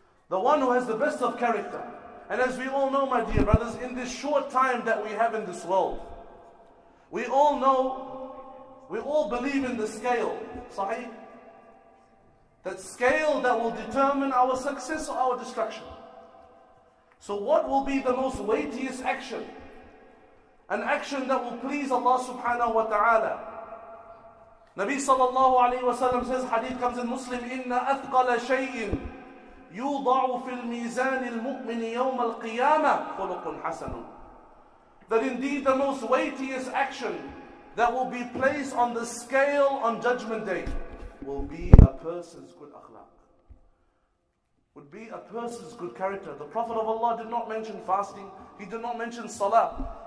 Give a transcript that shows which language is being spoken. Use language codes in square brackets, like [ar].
[en] The one who has the best of character. And as we all know, my dear brothers, in this short time that we have in this world, we all know, we all believe in the scale, sahih? That scale that will determine our success or our destruction. So what will be the most weightiest action? An action that will please Allah [ar] subhanahu wa ta'ala. Nabi sallallahu alayhi wa sallam [en] says, hadith comes in Muslim, [ar] إِنَّ أَثْقَلَ شَيْءٍ يوضع في الميزان المؤمن يوم القيامة خلق حسن. [en] That indeed the most weightiest action that will be placed on the scale on judgment day will be a person's good akhlaq, would be a person's good character. The Prophet of Allah did not mention fasting, he did not mention salah.